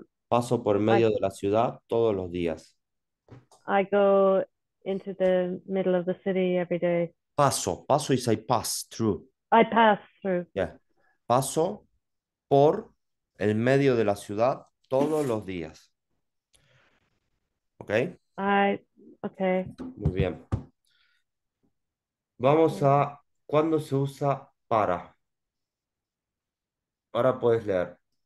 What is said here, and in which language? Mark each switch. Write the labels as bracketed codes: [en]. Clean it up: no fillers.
[es] Paso por medio de la ciudad todos los días. [en] I go into the middle of the city every day. Paso is I pass through. I pass through. Yeah. [es] Paso por el medio de la ciudad todos los días. ¿Ok? [en] Okay. [es] Muy bien. Vamos a, ¿cuándo se usa para? Ahora puedes leer.